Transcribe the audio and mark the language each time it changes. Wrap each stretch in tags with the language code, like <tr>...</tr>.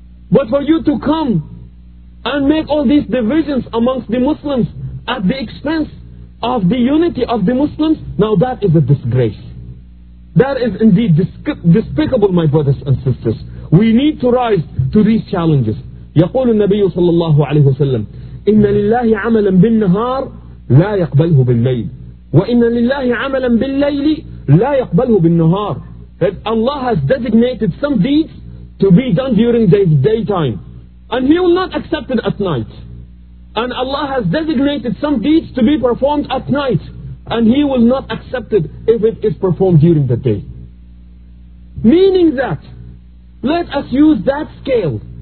<en>But for you to come and make all these divisions amongst the Muslims at the expense of the unity of the Muslims, now that is a disgrace. That is indeed despicable, my brothers and sisters. We need to rise to these challenges.</en> <ar>يقول النبي صلى الله عليه وسلم إن لله عملا بالنهار لا يقبله بالليل وإن لله عملا بالليل لا يقبله بالنهار.</ar> <en>That Allah has designated some deeds to be done during the daytime, and He will not accept it at night. And Allah has designated some deeds to be performed at night, and He will not accept it if it is performed during the day. Meaning that, let us use that scale</en>